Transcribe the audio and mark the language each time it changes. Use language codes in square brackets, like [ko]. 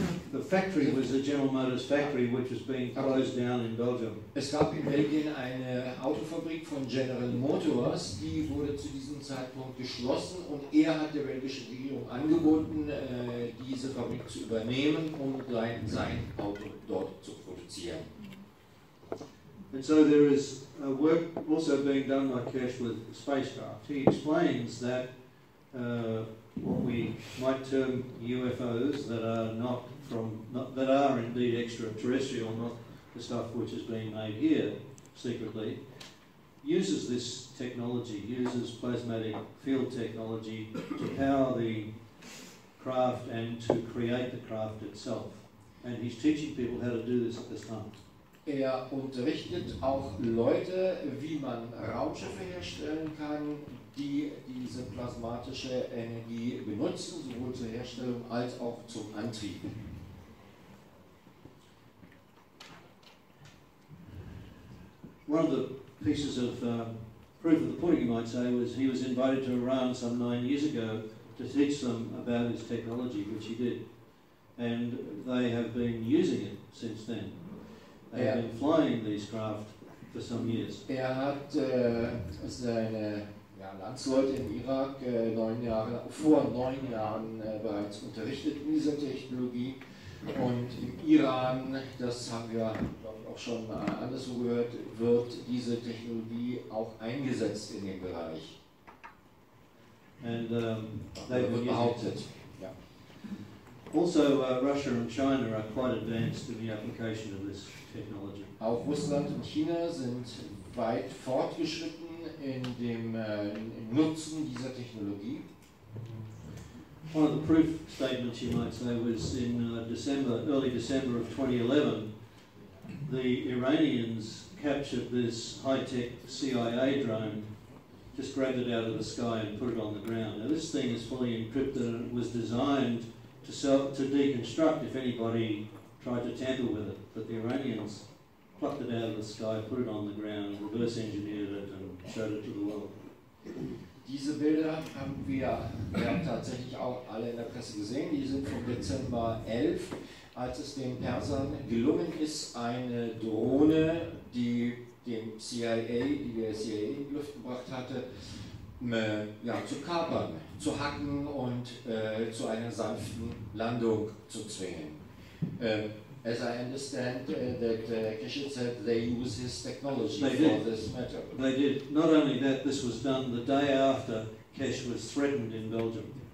[en] The factory was the General Motors factory, which was being closed down in Belgium. [de] Es gab in Belgien eine Autofabrik von General Motors, die wurde zu diesem Zeitpunkt geschlossen und er hat der belgischen Regierung angeboten, diese Fabrik zu übernehmen und sein Auto dort zu produzieren. [en] And so there is a work also being done by Cash with spacecraft. He explains that what we might term UFOs that are that are indeed extraterrestrial, not the stuff which is being made here secretly, uses this technology, uses plasmatic field technology to power the craft and to create the craft itself. And he's teaching people how to do this at this time. [de] Er unterrichtet auch Leute, wie man Raumschiffe herstellen kann, die diese plasmatische Energie benutzen, sowohl zur Herstellung als auch zum Antrieb. [en] One of the pieces of proof of the pudding, you might say, was he was invited to Iran some 9 years ago to teach them about his technology, which he did. And they have been using it since then. They have been flying these craft for some years. [de] Er hat seine Landsleute in Irak vor neun Jahren bereits unterrichtet in dieser Technologie. Und im Iran, das haben wir auch schon anderswo gehört, wird diese Technologie auch eingesetzt in dem Bereich. [en] And [de] wird behauptet. [en] Also, Russia and China are quite advanced in the application of this technology. [de] Auch Russland und China sind weit fortgeschritten in dem in Nutzen dieser Technologie. [en] One of the proof statements, you might say, was in early December of 2011. The Iranians captured this high-tech CIA drone, just grabbed it out of the sky and put it on the ground. Now, this thing is fully encrypted and it was designed to deconstruct if anybody tried to tamper with it. But the Iranians plucked it out of the sky, put it on the ground, reverse-engineered it and showed it to the world. [de] Diese Bilder haben wir haben tatsächlich auch alle in der Presse gesehen. Die sind vom Dezember 11, als es den Persern gelungen ist, eine Drohne, die der CIA in die Luft gebracht hatte, zu kapern, zu hacken und zu einer sanften Landung zu zwingen. [en] As I understand that Keshe said they use his technology this matter. They did. Not only that, this was done the day after Keshe was threatened in Belgium.